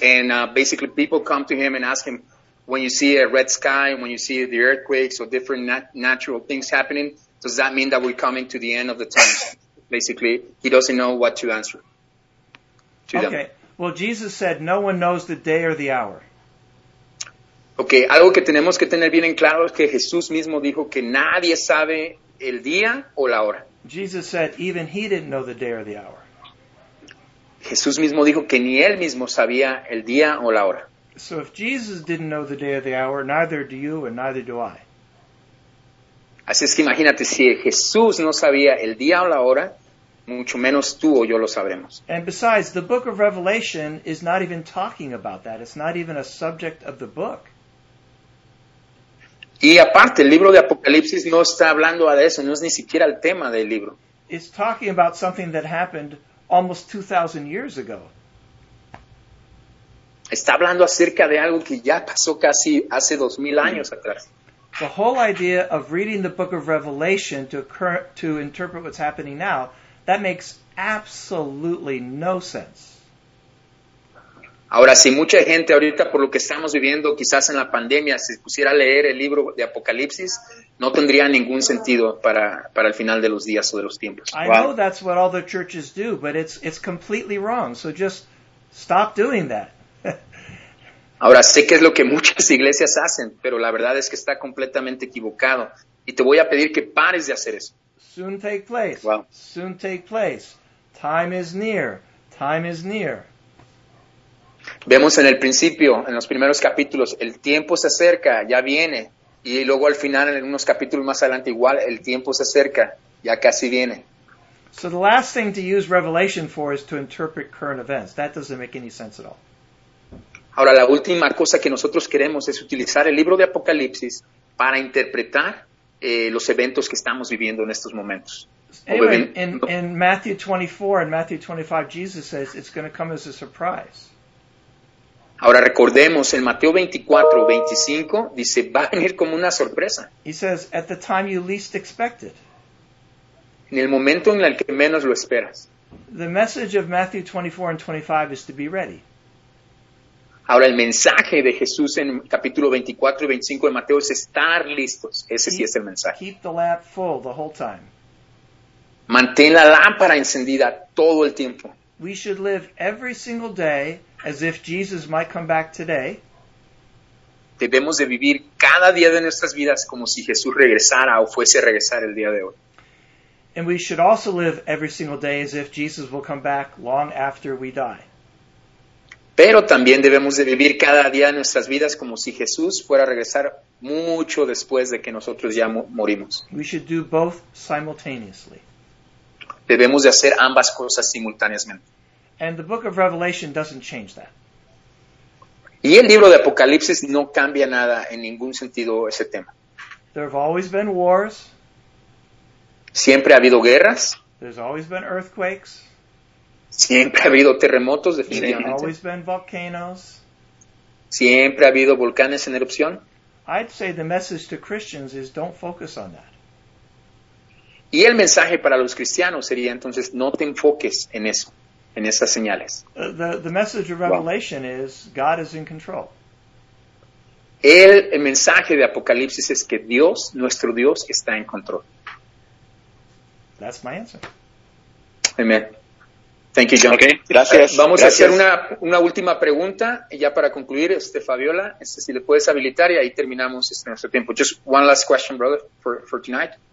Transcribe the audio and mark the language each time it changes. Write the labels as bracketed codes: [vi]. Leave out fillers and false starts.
[en] And basically people come to him and ask him, when you see a red sky, when you see the earthquakes or different natural things happening, does that mean that we're coming to the end of the times? Basically, he doesn't know what to answer. Okay. Well, Jesus said, no one knows the day or the hour. Okay. [es] Algo que tenemos que tener bien en claro es que Jesús mismo dijo que nadie sabe el día o la hora. [en] Jesus said, even he didn't know the day or the hour. [es] Jesús mismo dijo que ni él mismo sabía el día o la hora. [en] So if Jesus didn't know the day or the hour, neither do you and neither do I. [es] Así es que imagínate, si Jesús no sabía el día o la hora, mucho menos tú o yo lo sabremos. [en] And besides, the book of Revelation is not even talking about that. It's not even a subject of the book. [es] Y aparte, el libro de Apocalipsis no está hablando de eso, no es ni siquiera el tema del libro. [en] It's talking about something that happened almost 2,000 years ago. [es] Está hablando acerca de algo que ya pasó casi hace 2,000 años atrás. [en] The whole idea of reading the book of Revelation to interpret what's happening now, that makes absolutely no sense. [es] Ahora, si mucha gente ahorita, por lo que estamos viviendo, quizás en la pandemia, se pusiera a leer el libro de Apocalipsis, no tendría ningún sentido para el final de los días o de los tiempos. [en] I know that's what all the churches do, but it's completely wrong. So just stop doing that. [es] Ahora, sé que es lo que muchas iglesias hacen, pero la verdad es que está completamente equivocado. Y te voy a pedir que pares de hacer eso. [en] Soon take place. Wow. Soon take place. Time is near. Time is near. [es] Vemos en el principio, en los primeros capítulos, el tiempo se acerca, ya viene. Y luego al final, en unos capítulos más adelante, igual, el tiempo se acerca, ya casi viene. [en] So the last thing to use Revelation for is to interpret current events. That doesn't make any sense at all. [es] Ahora, la última cosa que nosotros queremos es utilizar el libro de Apocalipsis para interpretar los eventos que estamos viviendo en estos momentos. [en] Anyway, in Matthew 24 and Matthew 25, Jesus says it's going to come as a surprise. [es] Ahora, recordemos, en Mateo 24, 25, dice, va a venir como una sorpresa. [en] He says, at the time you least expect it. [es] En el momento en el que menos lo esperas. [en] The message of Matthew 24 and 25 is to be ready. [es] Ahora, el mensaje de Jesús en capítulo 24 y 25 de Mateo es estar listos. Ese sí es el mensaje. [en] Keep the lamp full the whole time. [es] Mantén la lámpara encendida todo el tiempo. [en] We should live every single day as if Jesus might come back today. [es] Debemos de vivir cada día de nuestras vidas como si Jesús regresara o fuese a regresar el día de hoy. [en] And we should also live every single day as if Jesus will come back long after we die. [es] Pero también debemos de vivir cada día de nuestras vidas como si Jesús fuera a regresar mucho después de que nosotros ya morimos. [en] We should do both simultaneously. [es] Debemos de hacer ambas cosas simultáneamente. [en] And the book of Revelation doesn't change that. [es] Y el libro de Apocalipsis no cambia nada en ningún sentido ese tema. [en] There have always been wars. [es] Siempre ha habido guerras. [en] There's always been earthquakes. [es] Siempre ha habido terremotos, definitivamente. [en] There's always been volcanoes. [es] Siempre ha habido volcanes en erupción. [en] I'd say the message to Christians is don't focus on that. [es] Y el mensaje para los cristianos sería entonces, no te enfoques en eso, en esas señales. [en] The message of Revelation is God is in control. [es] El mensaje de Apocalipsis es que Dios, nuestro Dios, está en control. [en] That's my answer. Amen. Thank you, John. [es] Okay, gracias. Vamos gracias. A hacer una última pregunta ya para concluir, Fabiola, si le puedes habilitar y ahí terminamos nuestro tiempo. [en] Just one last question, brother, for tonight.